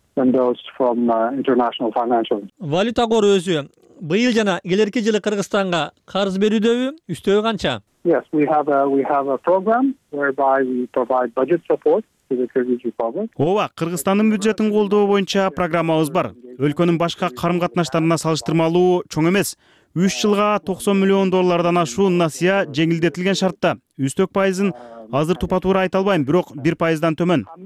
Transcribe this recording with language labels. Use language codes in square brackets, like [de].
[ky] Валюта кору өзү быйыл жана келерки жылы Кыргызстанга карыз берүүдөбү? Үстөгү канча? [en] Yes, we have a program whereby we provide budget support. [ky] Ооба, Кыргызстандын бюджетин колдоо боюнча программабыз бар. Өлкөнүн башка карым катнаштарына салыштырмалуу чоң эмес. 3 жылга 90 миллион доллардан ашуу насыя жеңилдетилген шартта. 3-4% азыр тупа туура айта албайм, бирок 1% төмөн.